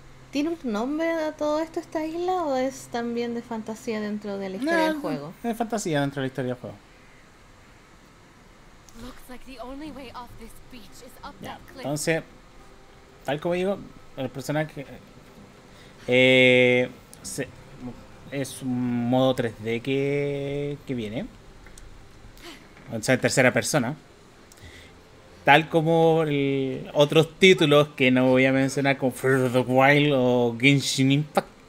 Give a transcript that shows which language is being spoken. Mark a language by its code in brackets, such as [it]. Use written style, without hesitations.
[es] ¿Tiene un nombre a todo esto esta isla o es también de fantasía dentro de la historia del No, juego? es fantasía dentro de la historia del juego. [en] Looks like the only way off this beach is up [es] Ya, [en] that cliff. [es] entonces, tal como digo, el personaje es un modo 3D que viene. O sea, en tercera persona. Tal como otros títulos que no voy a mencionar, como Breath of the Wild o Genshin Impact.